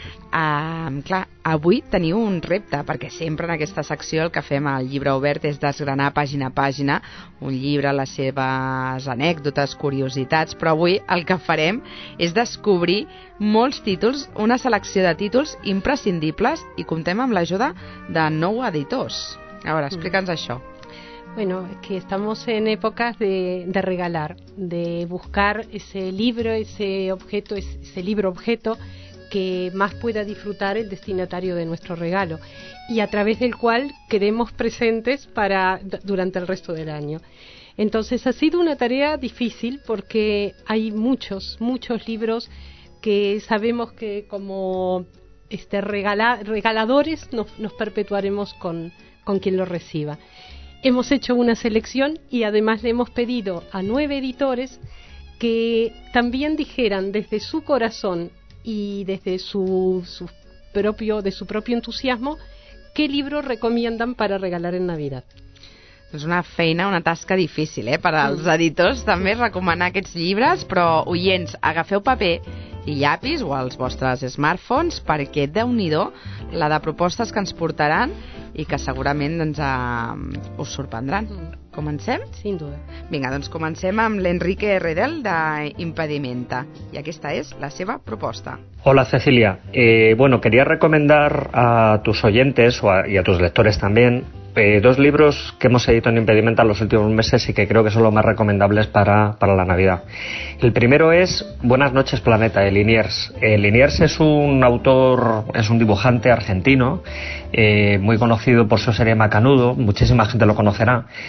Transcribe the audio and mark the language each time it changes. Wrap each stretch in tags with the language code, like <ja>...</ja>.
<ca>Clar, avui teniu un repte, perquè sempre en aquesta secció el que fem al llibre obert és desgranar pàgina a pàgina un llibre, les seves anècdotes, curiositats, però avui el que farem és descobrir molts títols, una selecció de títols imprescindibles, i comptem amb l'ajuda de nou editors. A veure, explica'ns això.</ca> <es>Bueno, que estamos en épocas de regalar, de buscar ese libro, ese objeto, ese libro objeto que más pueda disfrutar el destinatario de nuestro regalo y a través del cual queremos presentes para durante el resto del año. Entonces ha sido una tarea difícil porque hay muchos, muchos libros que sabemos que como regaladores nos perpetuaremos con quien lo reciba. Hemos hecho una selección y además le hemos pedido a 9 editores que también dijeran desde su corazón y desde su propio entusiasmo, ¿qué libro recomiendan para regalar en Navidad?</es> <ca>És una feina, una tasca difícil, per als editors també recomanar aquests llibres, però oients, agafeu paper i llapis o els vostres smartphones, perquè déu-n'hi-do la de propostes que ens portaran i que segurament doncs, us sorprendran. Comencem?</ca> <es>Sin duda.</es> <ca>Vinga, doncs comencem amb l'Enrique Redel de Impedimenta. I aquesta és la seva proposta.</ca> <es>Hola, Cecilia. Bueno, quería recomendar a tus oyentes y a tus lectores también dos libros que hemos editado en Impedimenta los últimos meses y que creo que son los más recomendables para la Navidad. El primero es Buenas noches, planeta, de Liniers. Liniers es un autor, es un dibujante argentino, muy conocido por su serie Macanudo, muchísima gente lo conocerá.</es>